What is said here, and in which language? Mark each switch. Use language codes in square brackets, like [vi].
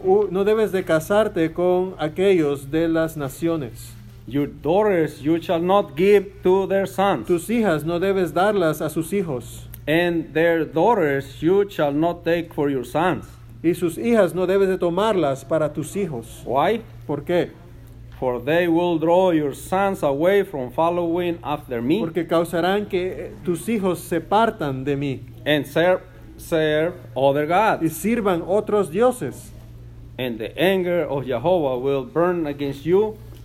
[es] No debes de casarte con aquellos de las naciones. [en] Your daughters you shall not give to their sons. [es] Tus hijas no debes darlas a sus hijos. [en] And their daughters you shall not take for your sons. [es] Y sus hijas no debes de tomarlas para tus hijos. [en] Why? [es] ¿Por qué? [en] For they will draw your sons away from following after me. [es] Porque causarán que tus hijos se partan de mí. [en] And serve other gods. [es] Y sirvan otros dioses. [en] And the anger of Jehovah will burn against you.